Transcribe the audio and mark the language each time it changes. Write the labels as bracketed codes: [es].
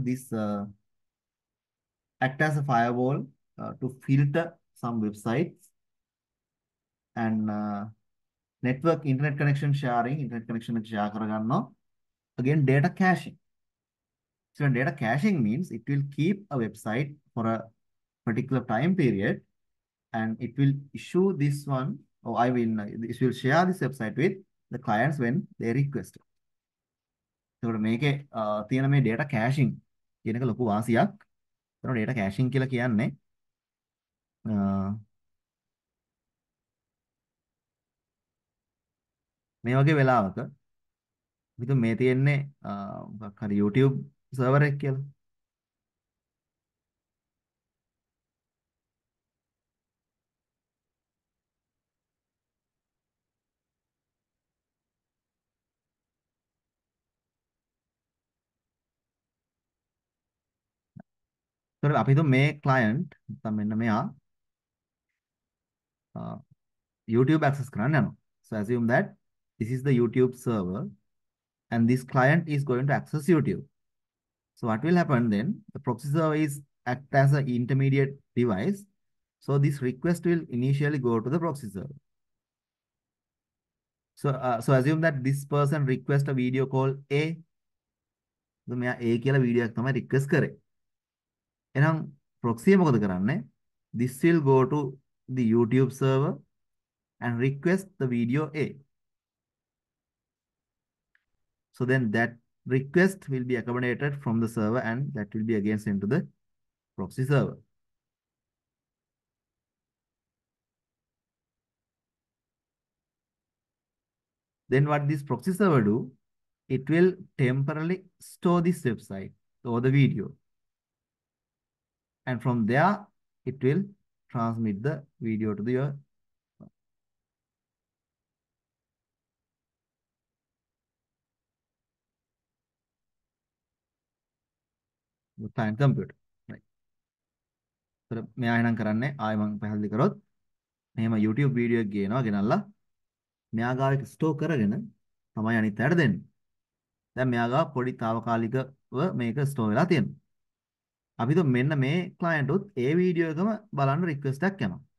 [en] This acts as a firewall to filter some websites and network internet connection sharing, internet connection share [si] karaganna. [en] Again, data caching. So when data caching means it will keep a website for a particular time period and it will issue this one, or I mean this will share this website with the clients when they request it. [si] එතකොට මේකේ තියෙන මේ data caching කියන එක ලොකු වාසියක්. එතකොට data caching කියලා කියන්නේ මේ වගේ වෙලාවක මිතු මේ තියෙන්නේ මොකක් හරි YouTube server එකක් කියලා. අපි හිතමු මේ ක්ලයන්ට් නැත්නම් මෙන්න මෙයා YouTube access කරන්න යනවා. [en] So assume that this is the YouTube server and this client is going to access YouTube. So what will happen then? The proxy server is act as an intermediate device. So this request will initially go to the proxy server. So assume that this person request a video call A. [si] So මෙයා A කියලා video එකක් තමයි request කරේ. එනම් proxy මොකද කරන්නේ? [en] This will go to the YouTube server and request the video A. So then that request will be accommodated from the server and that will be again sent to the proxy server. Then what this proxy server do? It will temporarily store this website or the video. And from there, it will transmit the video to your client computer. Right. [si] මේ ආයෙනම් කරන්නේ ආයෙ මම පැහැදිලි කරොත් මෙහෙම YouTube video එකක් ගේනවා ගෙනල්ලා මෙයා ගාව එක store කරගෙන තමයි අනිත් අයට දෙන්නේ. දැන් මෙයා ගාව පොඩි తాවකාලිකව මේක store වෙලා තියෙනවා. අපි તો මෙන්න මේ client උත් ඒ video එකම බලන්න request එකක් යනවා.